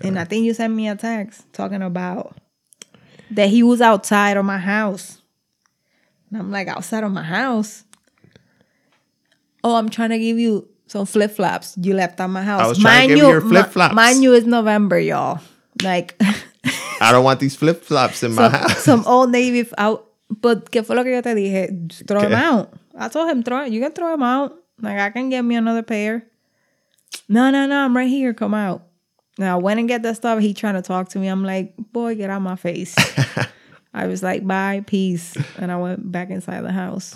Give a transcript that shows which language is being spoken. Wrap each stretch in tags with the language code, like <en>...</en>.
<en>And I think you sent me a text talking about that he was outside of my house. And I'm like, outside of my house? Oh, I'm trying to give you some flip-flops. You left at my house. I was trying to give you your flip-flops. Mind you, it's November, y'all. Like, I don't want these flip-flops in my house. Some Old Navy.</en> <es>But que fue lo que yo te dije?</es> <en>Throw them out. I told him, you can throw them out. Like, I can get me another pair. No, I'm right here. Come out. Now, I went and get that stuff. He trying to talk to me. I'm like, boy, get out of my face. I was like, bye, peace. And I went back inside the house.</en>